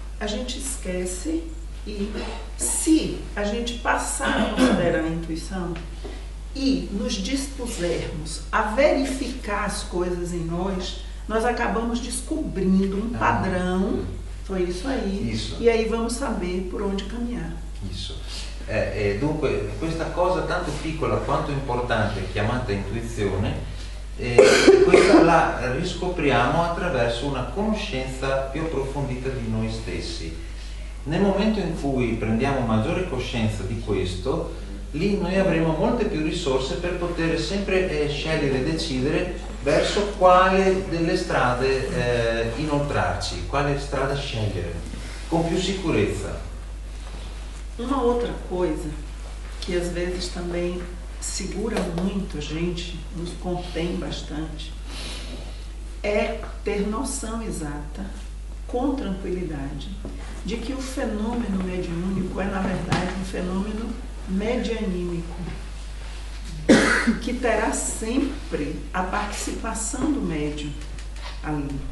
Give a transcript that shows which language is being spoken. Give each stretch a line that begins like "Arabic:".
Portuguese: A gente esquece e se a gente passar a considerar a intuição e nos dispusermos a verificar as coisas em nós, nós acabamos descobrindo um padrão, foi isso aí, isso. E aí vamos saber por onde caminhar. Isso.
Italian: Dunque, questa cosa tanto piccola quanto importante, chiamata intuizione, questa la riscopriamo attraverso una conoscenza più approfondita di noi stessi. Nel momento in cui prendiamo maggiore coscienza di questo, lì noi avremo molte più risorse per poter sempre scegliere e decidere verso quale delle strade inoltrarci, quale strada scegliere, con più sicurezza. Una altra cosa che a volte
Portuguese: também segura muito a gente, nos contém bastante, é ter noção exata, com tranquilidade, de que o fenômeno mediúnico é, na verdade, um fenômeno medianímico, que terá sempre a participação do médium ali.